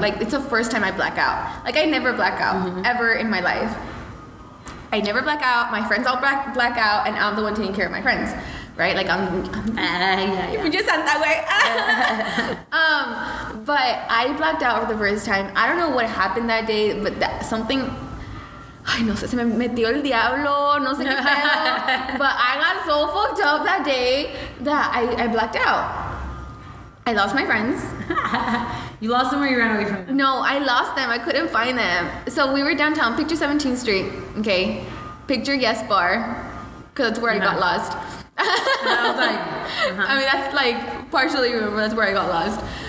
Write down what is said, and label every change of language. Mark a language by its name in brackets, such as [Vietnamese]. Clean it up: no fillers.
[English] Like, it's the first time I black out. Like, I never black out ever in my life. I never black out. My friends all black out, and I'm the one taking care of my friends, right? Like, I'm just sound that way. But I blacked out for the first time. I don't know what happened that day, but that something... [Spanish] Ay, no sé, se me metió el diablo, no sé qué pedo. [English] But I got so fucked up that day that I blacked out. I lost my friends. You lost them or you ran away from them? No, I lost them. I couldn't find them. So we were downtown, picture 17th Street, okay? Picture Yes Bar, because that's where I got lost. And I was like, I mean, that's like partially remember, that's where I got lost.